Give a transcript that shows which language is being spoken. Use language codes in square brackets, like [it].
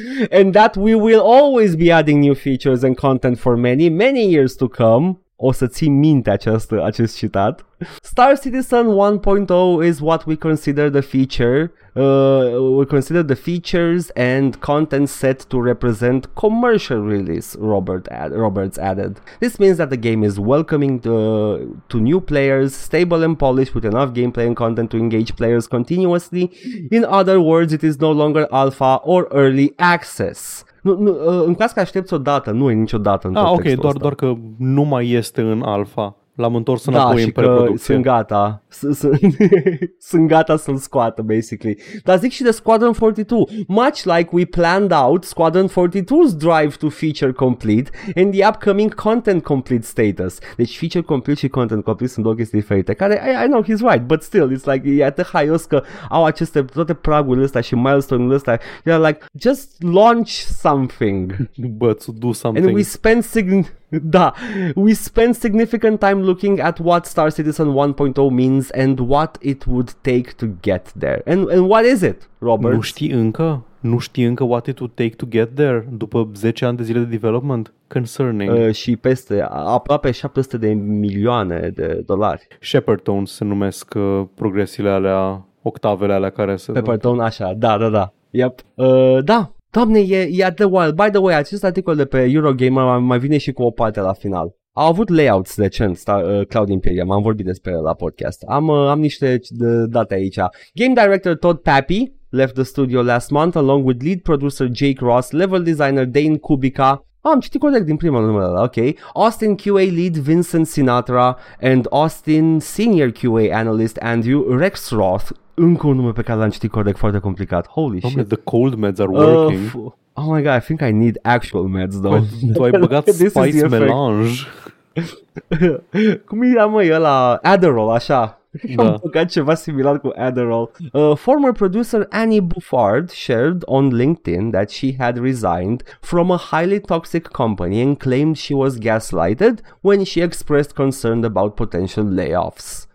[en] And that we will always be adding new features and content for many, many years to come. [ro] O să ții minte acest citat. [en] Star Citizen 1.0 is what we consider the feature. We consider the features and content set to represent commercial release, Roberts added. This means that the game is welcoming to new players, stable and polished with enough gameplay and content to engage players continuously. In other words, it is no longer alpha or early access. [ro] Nu, în caz că aștepți o dată, nu e niciodată în tot textul ăsta. Doar că nu mai este în alfa. L-am întors înapoi în preproducție. Da, și că sunt gata. Sunt gata să-l scoată, basically. Dar zic și de Squadron 42. [en] Much like we planned out Squadron 42's drive to feature complete and the upcoming content complete status. [ro] Deci feature complete și content complete sunt două chestii diferite. Care, [en] I know, he's right, but still, it's like, [ro] e atât haios că au aceste, toate pragurile astea și milestone-urile astea. [en] You're like, just launch something. But to do something. And we spend we spent significant time looking at what Star Citizen 1.0 means and what it would take to get there. And what is it, Robert? [ro] Nu știi încă? Nu știi încă [en] what it would take to get there [ro] după 10 ani de zile de development? [en] Concerning. [ro] Și peste aproape 700 de milioane de dolari. Shepard Tones se numesc progresiile alea, octavele alea care se... Shepard Tones, așa, da. Yep. Da. Doamne, e [en] the wild. By the way, [ro] acest articol de pe Eurogamer mai vine și cu o parte la final. A avut layouts decent, Cloud Imperium, am vorbit despre la podcast. Am niște date aici. [en] Game director Todd Pappy left the studio last month along with lead producer Jake Ross, level designer Dane Kubica. [ro] Am citit corect din prima numele, ok. [en] Austin QA lead Vincent Sinatra and Austin senior QA analyst Andrew Rexroth. [ro] Încă un nume pe care l-am citit corect, foarte complicat. [en] Holy shit. The cold meds are working. Oh my god, I think I need actual meds though. [ro] Tu ai băgat spice melange. Cum era, mă, ăla? Adderall, așa. Am băgat ceva similar cu Adderall. [en] Former producer Annie Bouffard shared on LinkedIn that she had resigned from a highly toxic company and claimed she was gaslighted when she expressed concern about potential layoffs.